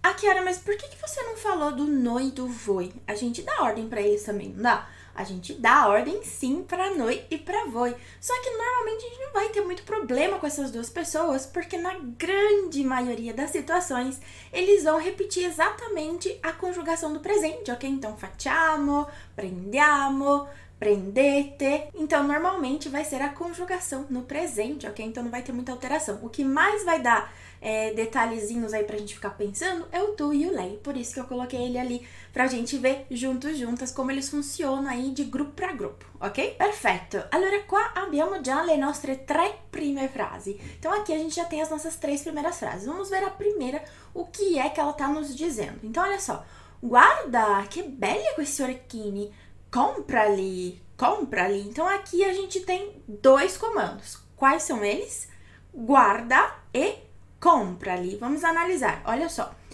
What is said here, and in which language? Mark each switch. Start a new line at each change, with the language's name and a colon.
Portuguese: Aqui, Ara, mas por que que você não falou do noi e do voi? A gente dá ordem para eles também, não dá? A gente dá ordem sim para noi e para voi. Só que normalmente a gente não vai ter muito problema com essas duas pessoas, porque na grande maioria das situações eles vão repetir exatamente a conjugação do presente, ok?
Italian: Então, facciamo, prendiamo, prendete.
Portuguese: Então, normalmente vai ser a conjugação no presente, ok? Então, não vai ter muita alteração. O que mais vai dar detalhezinhos aí pra gente ficar pensando, é o tu e o lei. Por isso que eu coloquei ele ali pra gente ver juntos, juntas, como eles funcionam aí de grupo pra grupo, ok? Perfeito!
Italian: Allora, qua abbiamo già le nostre tre prime frasi.
Portuguese: Então, aqui a gente já tem as nossas três primeiras frases. Vamos ver a primeira, o que é que ela tá nos dizendo. Então, olha só.
Italian: Guarda, que belle questi orecchini! Comprali, comprali!
Portuguese: Então, aqui a gente tem dois comandos. Quais são eles? Guarda e compra ali. Vamos analisar. Olha só.